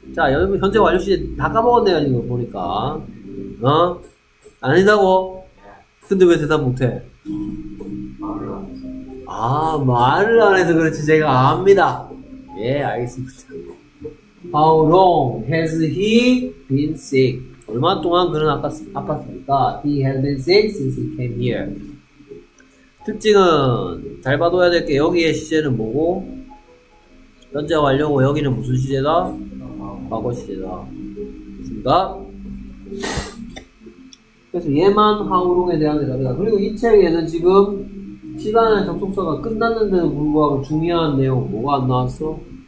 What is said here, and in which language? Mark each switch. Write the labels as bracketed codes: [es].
[ko] 자 여러분 현재 완료시제 다 까먹었네요 지금 보니까. 어? 아니다고? 근데 왜 대답 못해? 아 말을 안 해서 그렇지 제가 압니다. 예 알겠습니다. [en] How long has he been sick? [ko] 얼마 동안 그는 아팠습니까? [en] He has been sick since he came here. [ko] 특징은 잘 봐둬야 될 게 여기의 시제는 뭐고 현재 완료고 여기는 무슨 시제다? 과거 시제다. 됐습니다. 그래서 얘만 how long에 대한 대답이다. 그리고 이 책에는 지금 시간의 접속사가 끝났는데도 불구하고 중요한 내용 뭐가 안 나왔어?